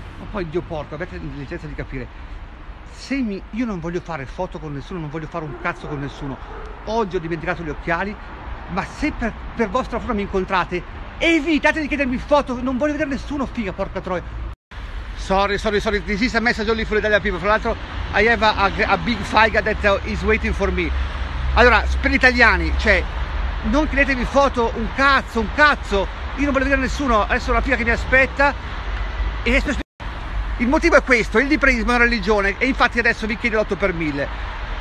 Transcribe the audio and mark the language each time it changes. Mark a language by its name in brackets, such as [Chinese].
[Italian] Poi Dio porco, avete l'intelligenza di capire. Se mi, io non voglio fare foto con nessuno, non voglio fare un cazzo con nessuno. Oggi ho dimenticato gli occhiali, ma se per vostra fortuna mi incontrate, evitate di chiedermi foto, non voglio vedere nessuno, figa, porca troia. [English] Sorry, this is a message only for Italian people. [Italian] Fra l'altro, [English] I have a big figa that is waiting for me. [Italian] Allora, per gli italiani, cioè, non chiedetemi foto, un cazzo, io non voglio vedere nessuno, adesso ho una figa che mi aspetta e adesso. Il motivo è questo, il liberismo è una religione e infatti adesso vi chiedo l'otto per mille.